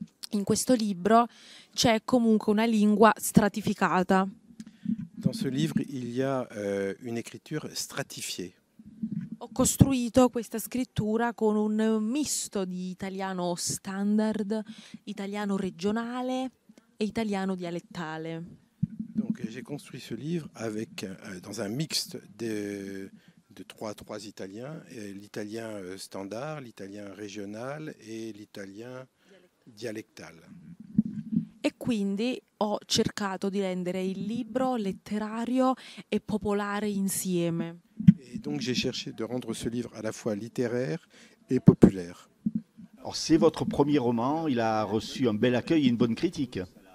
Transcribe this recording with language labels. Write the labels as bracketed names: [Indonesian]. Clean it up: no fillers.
[Italian] In questo libro c'è comunque una lingua stratificata. [French] Dans ce livre, il y a une écriture stratifiée. [Italian] Ho costruito questa scrittura con un misto di italiano standard, italiano regionale e italiano dialettale. [French] Donc j'ai construit ce livre avec dans un mixte de trois italiens, l'italien standard, l'italien régional et l'italien dialettale. [Italian] E quindi ho cercato di rendere il libro letterario e popolare insieme. [French] Et donc j'ai cherché de rendre ce livre à la fois littéraire et populaire. Alors c'est votre premier roman, il a reçu un bel accueil et une bonne critique.